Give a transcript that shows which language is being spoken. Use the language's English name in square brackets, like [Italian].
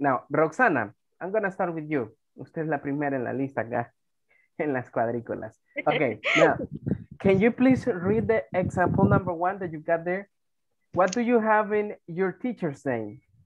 [English] Now, Roxana, I'm going to start with you. [Spanish] Usted es la primera en la lista acá, en las cuadrículas. [English] Ok, now, can you please read the example number one that you got there? What do you have in your teacher's name?